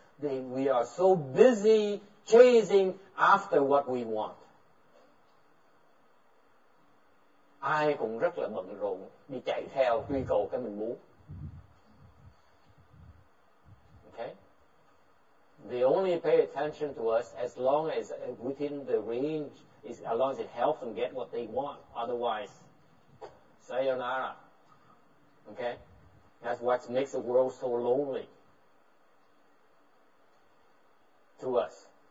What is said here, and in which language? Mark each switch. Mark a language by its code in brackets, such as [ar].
[en] We are so busy chasing after what we want. [vi] Ai cũng rất là bận rộn đi chạy theo truy cầu cái mình muốn. [en] Okay? They only pay attention to us as long as within the range, is as long as it helps them get what they want. Otherwise, sayonara. Okay? That's what makes the world so lonely to us.